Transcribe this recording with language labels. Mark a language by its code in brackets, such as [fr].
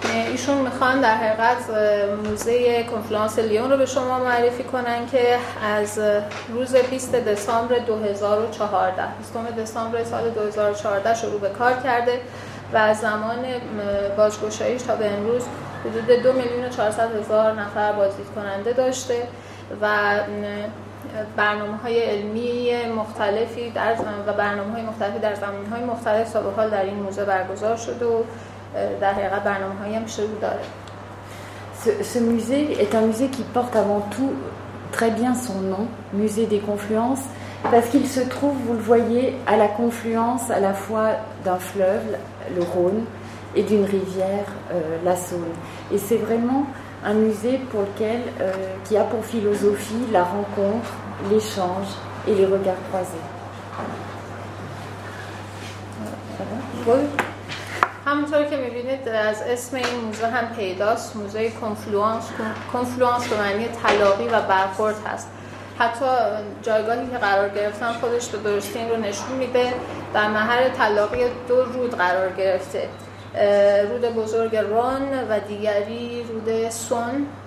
[fa] ایشون میخوان در حقیقت موزه کنفلانس لیون رو به شما معرفی کنن که از روز 20 دسامبر 2014 20 دسامبر سال 2014 شروع به کار کرده و از زمان بازگشاییش تا به امروز حدود 2,400,000 نفر بازدید کننده داشته و برنامه‌های علمی مختلفی در و برنامه‌های مختلفی در زمینه‌های مختلف تا به حال در این موزه برگزار شده و در حقیقت برنامه‌هایی هم شروع داره. [fr] Ce musée est un musée qui porte avant tout très bien son nom, Musée des Confluences, parce qu'il se trouve, vous le voyez, à la confluence à la fois d'un fleuve, le Rhône, et d'une rivière, la Saône. Et c'est vraiment un musée pour lequel, qui a pour philosophie la rencontre, l'échange et les regards croisés. [fa] همونطور که میبینید از اسم این موزه هم پیداست، موزه کنفلوانس به معنی تلاقی و برخورد هست. حتی جایگاهی که قرار گرفتن خودش به درستی این رو نشون میده، در محل تلاقی دو رود قرار گرفته، رود بزرگ ران و دیگری رود سون